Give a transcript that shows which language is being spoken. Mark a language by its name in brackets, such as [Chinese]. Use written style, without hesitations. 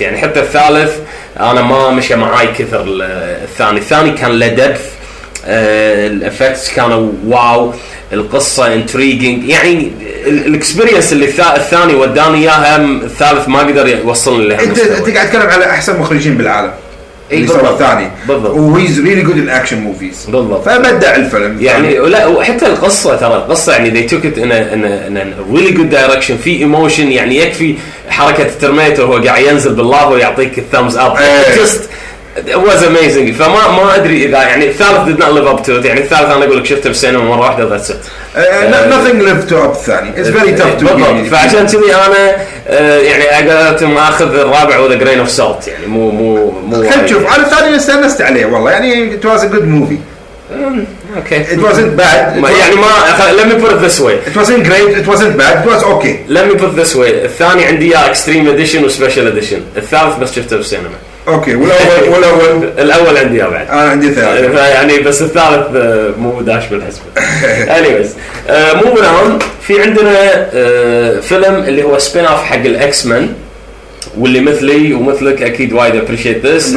[Arabic] يعني حتى الثالث انا ما مشى معاي كثر. الثاني كان لدبث, الافكتس كانوا واو, القصه انتريجينج. يعني الاكسبيرينس اللي الثاني وداني اياها الثالث ما قدر يوصلني لها. انت قاعد تتكلم على احسن مخرجين بالعالم. اي الثاني بالضبط. [English] وهيز really good in action movies. [Arabic] بالضبط. فبدع الفيلم يعني لا, وحتى القصه ترى القصه يعني [English] they took it in a really good direction. [Arabic] في ايموشن يعني يكفي حركه الترميتر هو قاعد ينزل بالله ويعطيك الثامز اب. [English] Just it was amazing. [Arabic] فما ما ادري اذا يعني الثالث [English] did not live up to it. [Arabic] يعني الثالث انا اقول لك شفته بالسينما مره واحده [English] that's it. Nothing lived to up الثاني. It's very tough to be. [Arabic] فعشان كذي انا يعني قلت ما اخذ الرابع وذا جرين اوف سولت. يعني مو مو مو خلينا نشوف. انا الثاني استنست عليه والله. [English] يعني it was a good movie. Okay. It wasn't bad. يعني ما let me put it this way. It wasn't great. It wasn't bad. It was okay. Let me put it this way. [Arabic] الثاني عندي يا extreme edition و special edition. الثالث بس شفته بالسينما. أوكي. والأول الأول عندي بعد. أنا عندي ثالث. يعني بس الثالث مو داش بالحسبة. [English] anyways moving on. [Arabic] في عندنا فيلم اللي هو spin off حق الإكس مان, واللي مثلي ومثلك أكيد وايد [English] appreciate this.